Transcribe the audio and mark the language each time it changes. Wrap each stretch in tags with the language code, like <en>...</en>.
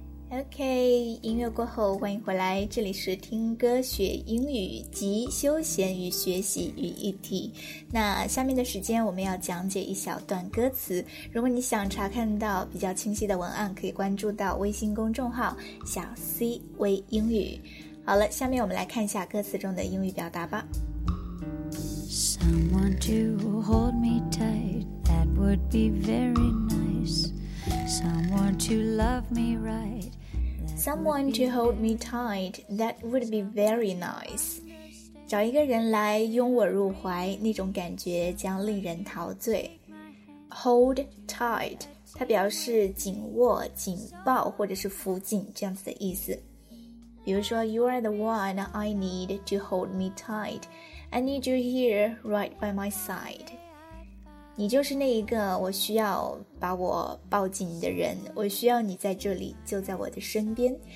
<zh>OK， 音乐过后欢迎回来，这里是听歌学英语及休闲与学习于一体。那下面的时间我们要讲解一小段歌词，如果你想查看到比较清晰的文案，可以关注到微信公众号小 C 微英语。好了，下面我们来看一下歌词中的英语表达吧。</zh> <en>Someone to hold me tight, that would be very nice. Someone to love me right Someone to hold me tight, that would be very nice.</en> <zh>找一个人来拥我入怀，那种感觉将令人陶醉。 Hold tight, 它表示紧握、紧抱或者是扶紧这样子的意思。比如说</zh> <en>,You are the one I need to hold me tight. I need you here right by my side.</en> <zh>你就是那一个我需要把我抱紧的人，我需要你在这里，就在我的身边。</zh>